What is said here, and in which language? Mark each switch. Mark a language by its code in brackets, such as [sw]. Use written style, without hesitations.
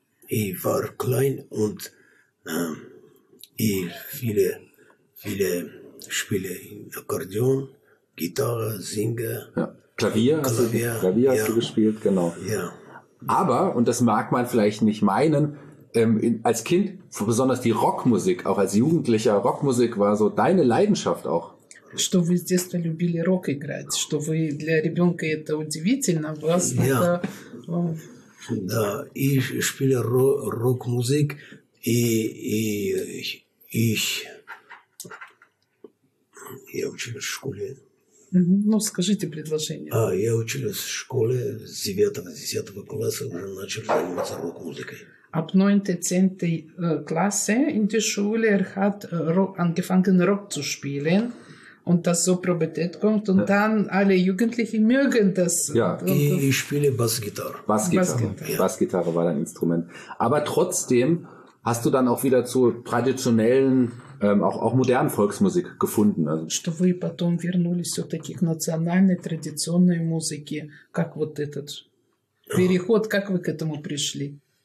[de] Ich war klein und ich viele spiele Akkordeon, Gitarre, singe. Ja. Klavier hast du gespielt, genau. Ja. Aber, und das mag man vielleicht nicht meinen, Als Kind, besonders die Rockmusik, auch als Jugendlicher, Rockmusik war so deine Leidenschaft auch. [ru] Что вы с детства любили рок играть, что вы для ребенка это удивительно, вас [de] ja. [ru] Это. Да, [de] ich spiele Rockmusik [ru] и [de] ich [ru] я училась в школе. Ну, скажите предложение. А, я училась в школе с 9-10 класса, уже начал заниматься рок-музыкой. [de] Ab 9-10 Klasse in der Schule hat angefangen Rock zu spielen. Und das so probiert kommt und dann alle Jugendlichen mögen das. Ja, ich spiele Bassgitarre. Bassgitarre war dein Instrument. Aber trotzdem hast du dann auch wieder zu traditionellen, auch modernen Volksmusik gefunden. [ru] Что вы потом вернулись все-таки к национальной традиционной музыке? Как вот этот переход, как вы к этому пришли?